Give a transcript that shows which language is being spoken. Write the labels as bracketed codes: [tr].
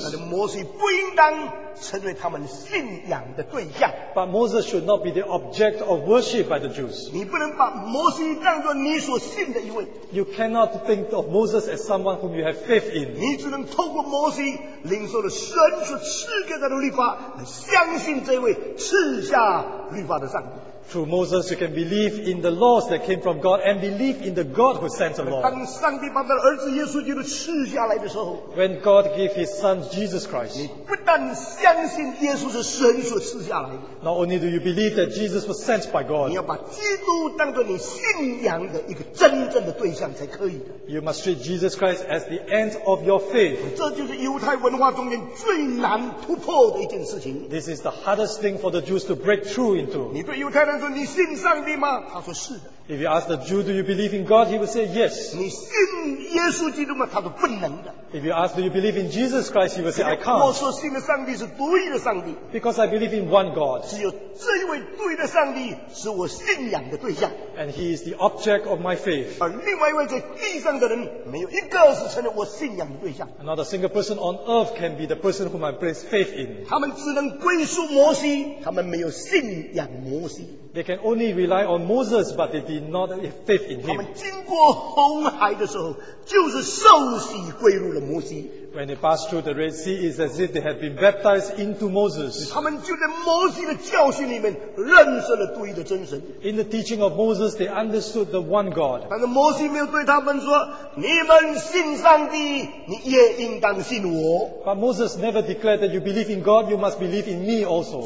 [zh] 但是摩西不应当成为他们信仰的对象。 [en] But Moses should not be the object of worship by the Jews. [zh] 你不能把摩西当作你所信的一位。 [en] You cannot think of Moses as someone whom you have faith in. [zh] 你只能透过摩西领受了神所赐给他的律法，来相信这位赐下律法的上帝。 [en] Through Moses, you can believe in the laws that came from God and believe in the God who sent the law. [zh] 当上帝把他的儿子耶稣基督赐下来的时候， [en] When God gave His Son Jesus Christ, [zh] 你不但相信耶稣是神所赐下来的， [en] Not only do you believe that Jesus was sent by God, [zh] 你要把基督当作你信仰的一个真正的对象才可以的。 [en] You must treat Jesus Christ as the end of your faith. [zh] 这就是犹太文化中间最难突破的一件事情。 [en] This is the hardest thing for the Jews to break through into. [zh] 你对犹太人说你信上帝吗？他说是的。 [en] If you ask the Jew, do you believe in God? He will say yes. [zh] 你信耶稣基督吗？他说不能的。 [en] If you ask, do you believe in Jesus Christ? He will say, I can't. [zh] 我说信的上帝是独一的上帝。 [en] Because I believe in one God. [zh] 只有这一位独一的上帝是我信仰的对象。 [en] And He is the object of my faith. [zh] 而另外一位在地上的人没有一个是成了我信仰的对象。 [en] Not a single person on earth can be the person whom I place faith in. [zh] 他们只能归属摩西，他们没有信仰摩西。 [en] They can only rely on Moses, but they did not have faith in him. [zh] 他们经过红海的时候，就是受洗归入了摩西。 [en] when they passed through the Red Sea, it's as if they had been baptized into Moses. In the teaching of Moses, they understood the one God. But Moses never declared that you believe in God, you must believe in me also.